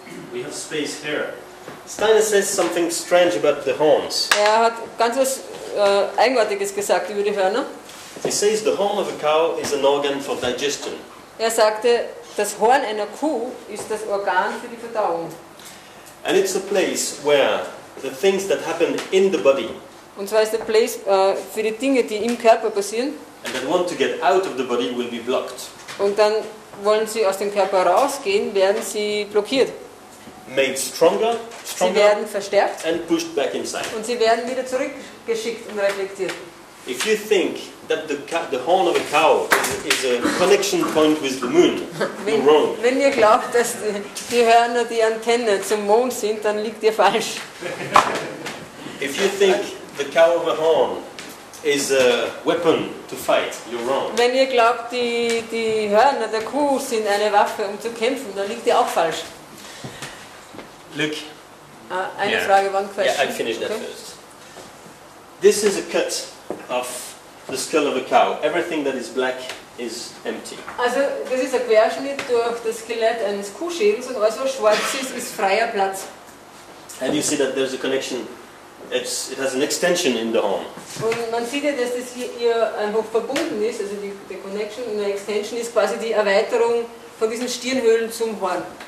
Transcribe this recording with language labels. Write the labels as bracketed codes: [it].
[en] We have space here. Steiner says something strange about the horns. [de] Er hat ganz was Eigenartiges gesagt über die Hörner. [en] He says the horn of a cow is an organ for digestion. [de] Er sagte, das Horn einer Kuh ist das Organ für die Verdauung. [en] And it's a place where the things that happen in the body. [de] Und zwar ist der Place für die Dinge, die im Körper passieren. [en] And that want to get out of the body will be blocked. [de] Und dann wollen sie aus dem Körper rausgehen, werden sie blockiert. [en] Made stronger, stronger. [de] Sie werden verstärkt. [en] And pushed back inside. [de] Und sie werden wieder zurückgeschickt und reflektiert. [en] If you think that the horn of a cow is a connection point with the moon, you're wrong. [de] Wenn ihr glaubt, dass die Hörner die Antenne zum Mond sind, dann liegt ihr falsch. [en] If you think the cow of a horn is a weapon to fight, you're wrong. [de] Wenn ihr glaubt, die Hörner der Kuh sind eine Waffe, um zu kämpfen, dann liegt ihr auch falsch. [en] Look. [de] Eine Frage, [en] one question. Yeah, I finished that first. This is a cut of the skull of a cow. Everything that is black is empty. [de] Also, das ist ein Querschnitt durch das Skelett eines Kuhschädels und alles, was schwarz ist, ist freier Platz. [en] And you see that there's a connection. It has an extension in the home. [de] Und man sieht ja, dass das hier einfach verbunden ist, also die Connection und die Extension ist quasi die Erweiterung von diesen Stirnhöhlen zum Horn.